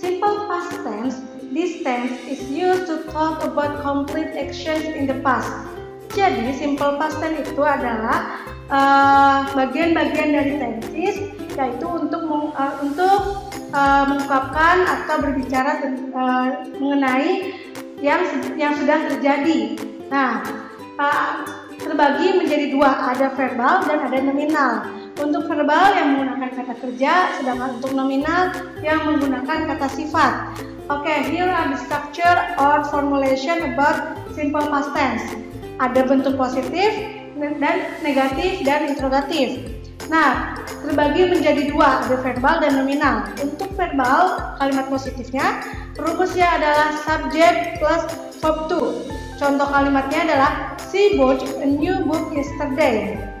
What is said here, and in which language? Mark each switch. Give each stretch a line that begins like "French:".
English: Simple past tense, this tense is used to talk about complete actions in the past.
Indonesian: Jadi, simple past tense itu adalah bagian-bagian dari tenses, yaitu untuk mengungkapkan atau berbicara mengenai yang sudah terjadi. Nah, terbagi menjadi dua, ada verbal dan ada nominal. Untuk verbal yang menggunakan kata kerja, sedangkan untuk nominal yang menggunakan kata sifat.
English: Okay, here are the structure or formulation about simple past tense.
Indonesian: Ada bentuk positif dan negatif dan interrogatif. Nah, terbagi menjadi dua, ada verbal dan nominal. Untuk verbal, kalimat positifnya, rumusnya adalah subject plus verb to. Contoh kalimatnya adalah,
English: she bought a new book yesterday.